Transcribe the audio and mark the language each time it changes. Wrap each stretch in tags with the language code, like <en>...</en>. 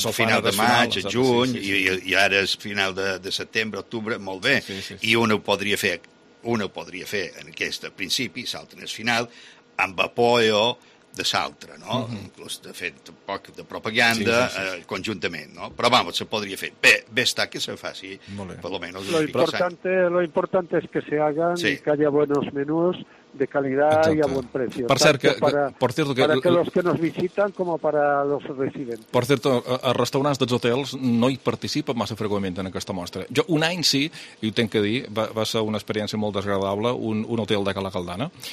<ca>a final de maig, a juny, i ara és final de setembre, octubre, molt bé. Sí, sí, sí. I un ho podria fer en aquest principi, l'altre en el final, amb apoio de l'altre, no? Mm-hmm. Inclús de fet un poc de propaganda, sí, sí, sí, sí, conjuntament, no? Però vamos, se podria fer. Bé, bé està que se faci, per lo menos.</ca> <es>Lo importante es que se hagan, sí, y que haya buenos menús de calidad. Exacto. Y a buen precio.</es> <ca>Per cert,</ca> <es>para que los que nos visitan como para los residentes. Por cierto,</es> <ca>els restaurants dels hotels no hi participen massa freqüentment en aquesta mostra. Jo un any sí, i ho tinc que dir, va ser una experiència molt desagradable, un hotel de Cala Caldana.</ca>